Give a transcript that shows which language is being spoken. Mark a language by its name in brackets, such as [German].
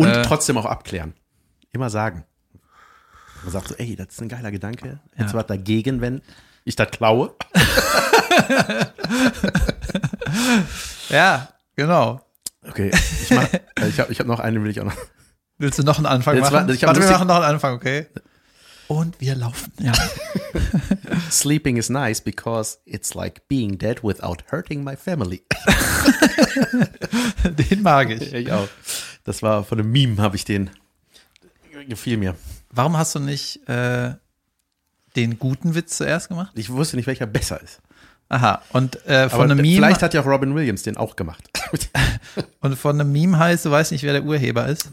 [German] Und trotzdem auch abklären. Immer sagen. Man sagt so, ey, das ist ein geiler Gedanke. Jetzt was dagegen, wenn ich das klaue. Ja, genau. Okay, ich hab noch einen, will ich auch noch. Willst du noch einen Anfang machen? Wir machen noch einen Anfang, okay? Und wir laufen, ja. [English] Sleeping is nice because it's like being dead without hurting my family. [German] Den mag ich. Ich auch. Das war von einem Meme, habe ich den. Gefiel mir. Warum hast du nicht den guten Witz zuerst gemacht? Ich wusste nicht, welcher besser ist. Aha, und von einem Meme. Vielleicht hat ja auch Robin Williams den auch gemacht. Und von einem Meme heißt, du weißt nicht, wer der Urheber ist?